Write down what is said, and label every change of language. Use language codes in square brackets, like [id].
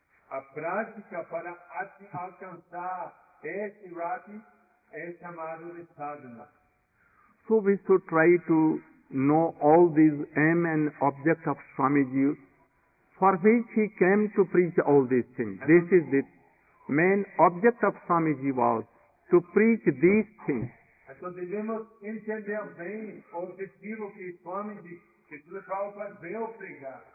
[pt] A pratica para alcançar esse rati é chamado de sadhana. [en] So we should try to know all these aim and object of Swamiji, for which he came to preach all these things. This is the main object of Swamiji, was to preach these things. [pt] Então devemos entender bem o objetivo que Swamiji, que Srila Prabhupada veio pregar.